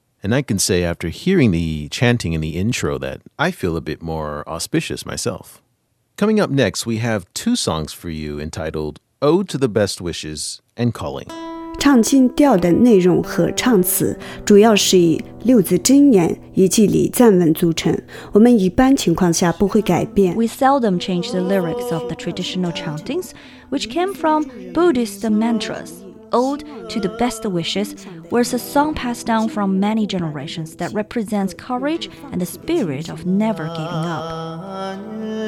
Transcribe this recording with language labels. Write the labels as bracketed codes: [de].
[en] And I can say after hearing the chanting in the intro that I feel a bit more auspicious myself. Coming up next, we have two songs for you entitled Ode to the Best Wishes and Calling. [zh] 唱经调的内容和唱词主要是以六字真言以及礼赞文组成，我们一般情况下不会改变。 [en] We seldom change the lyrics of the traditional chantings, which came from Buddhist mantras. Ode to the Best Wishes was a song passed down from many generations that represents courage and the spirit of never giving up.